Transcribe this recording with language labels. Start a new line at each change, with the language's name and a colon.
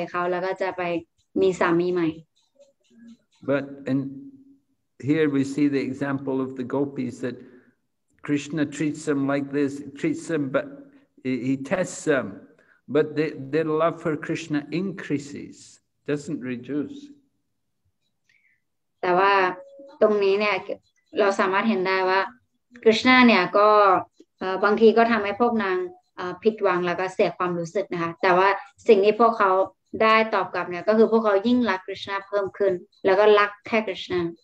Thai: แล้วถ้าเกิดว่าผู้ชายเนี่ยไม่สามารถทำให้เขามีความสุขได้เนี่ยผู้หญิงก็จะหย่าร้างนะคะเลิกกับเขาปล่อยเขาแล้วก็จะไปมีสามีใหม่
English: But in here we see the example of the gopis that Krishna treats them like this, treats them, but he tests them. But their love for Krishna increases, doesn't reduce.
Thai: แต่ว่าตรงนี้เนี่ยเราสามารถเห็นได้ว่าคริชนาเนี่ยก็บางทีก็ทำให้พวกนางผิดหวังแล้วก็เสียความรู้สึกนะคะแต่ว่าสิ่งที่พวกเขาได้ตอบกลับเนี่ยก็คือพวกเขายิ่งรักคริชนาเพิ่มขึ้นแล้วก็รักแค่คริชนา